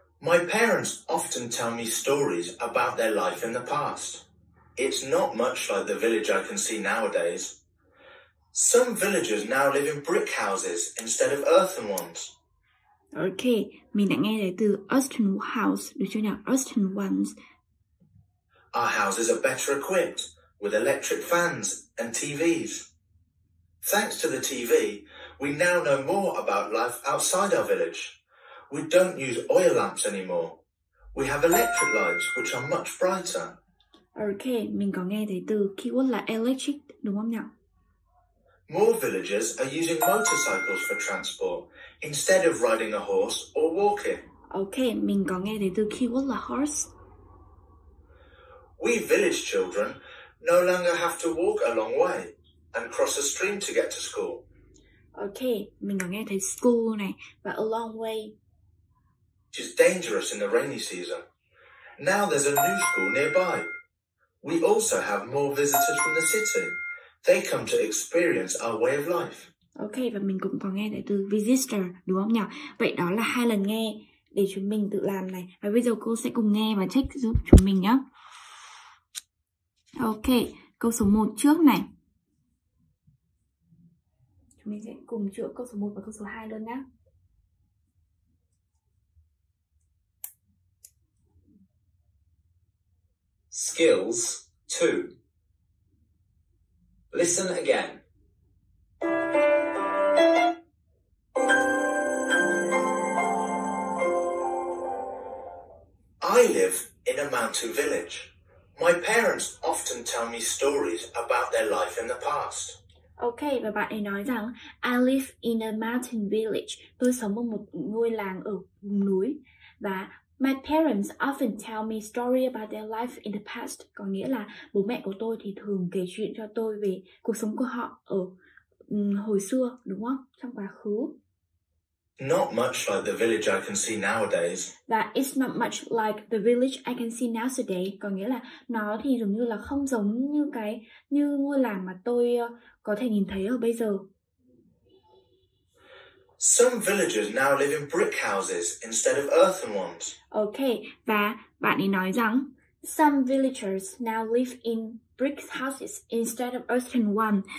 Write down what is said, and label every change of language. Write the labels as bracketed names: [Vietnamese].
[English] My parents often tell me stories about their life in the past. It's not much like the village I can see nowadays. Some villagers now live in brick houses instead of earthen ones. [Vietnamese] Okay, mình đã nghe đấy từ [English] earthen house, [Vietnamese] được chưa nhỉ? [English] Earthen ones. Our houses are better equipped with electric fans and TVs. Thanks to the TV, we now know more about life outside our village. We don't use oil lamps anymore. We have electric lights, which are much brighter. [Vietnamese] Ok, mình có nghe thấy từ keyword là electric, đúng không nhỉ? [English] More villagers are using motorcycles for transport instead of riding a horse or walking. [Vietnamese] Ok, mình có nghe thấy từ keyword là horse. [English] We village children no longer have to walk a long way and cross a stream to get to school. [Vietnamese] Ok, mình có nghe thấy school này, và [English] a long way. Which is dangerous in the rainy season. Now there's a new school nearby. We also have more visitors from the city. They come to experience our way of life. [Vietnamese] Ok, và mình cũng có nghe từ visitor, đúng không nhỉ? Vậy đó là hai lần nghe để chúng mình tự làm này. Và bây giờ cô sẽ cùng nghe và check giúp chúng mình nhé. Ok, câu số 1 trước này. Chúng mình sẽ cùng chữa câu số 1 và câu số 2 luôn nhé. [English] Skills 2. Listen again. I live in a mountain village. My parents often tell me stories about their life in the past. [Vietnamese] Ok, và bạn ấy nói rằng [English] I live in a mountain village. [Vietnamese] Tôi sống ở một ngôi làng ở vùng núi. Và [English] my parents often tell me stories about their life in the past. [Vietnamese] Có nghĩa là bố mẹ của tôi thì thường kể chuyện cho tôi về cuộc sống của họ ở hồi xưa, đúng không? Trong quá khứ. [English] Not much like the village I can see nowadays. That it's not much like the village I can see nowadays. [Vietnamese] Có nghĩa là nó thì giống như là không giống như cái như ngôi làng mà tôi có thể nhìn thấy ở bây giờ. [English] Some villagers now live in brick houses instead of earthen ones. [Vietnamese] Okay, và bạn ấy nói rằng [English] some villagers now live in brick houses instead of earthen ones.